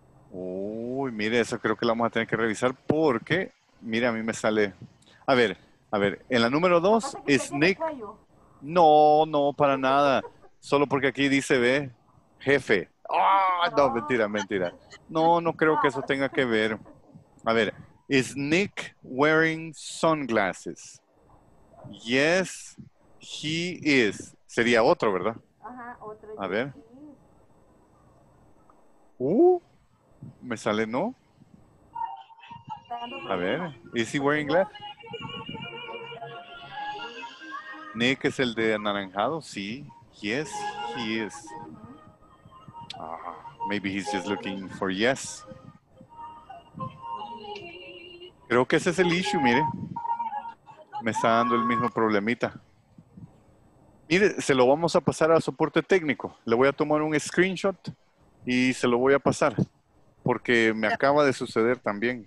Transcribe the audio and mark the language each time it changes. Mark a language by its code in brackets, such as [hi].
[es] Uy, mire, eso creo que la vamos a tener que revisar porque, mire, a mí me sale. A ver, en la número 2, es Nick. No, no, para nada. Solo porque aquí dice, ve, jefe. Ah, oh, no, mentira, mentira. No, no creo que eso tenga que ver. A ver, [en] is Nick wearing sunglasses? Yes, he is. [es] Sería otro, ¿verdad? A ver. Me sale no. A ver, [en] is he wearing glasses? [es] Nick es el de anaranjado, sí. [en] Yes, he is. Maybe he's just looking for yes. [es] Creo que ese es el issue, mire. Me está dando el mismo problemita. Mire, se lo vamos a pasar a soporte técnico. Le voy a tomar un screenshot y se lo voy a pasar. Porque me acaba de suceder también.